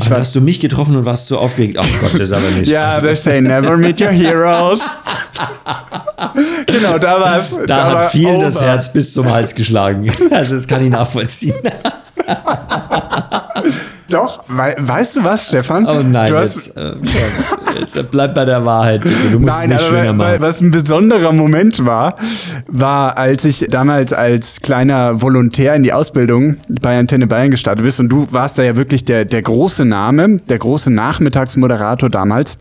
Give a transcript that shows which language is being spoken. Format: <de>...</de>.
<de>Hast du mich getroffen und warst so aufgeregt? Oh Gott, das ist aber nicht.</de> <en>Ja, yeah, they say never meet your heroes.</en> <de>Genau, da war es. Da hat viel das Herz bis zum Hals geschlagen. Also das kann ich nachvollziehen. Doch, weißt du was, Stefan? Oh nein, jetzt bleib bei der Wahrheit. Du musst nein, es nicht schöner machen. Was ein besonderer Moment war, als ich damals als kleiner Volontär in die Ausbildung bei Antenne Bayern gestartet bist. Und du warst da ja wirklich der große Name, der große Nachmittagsmoderator damals.</de>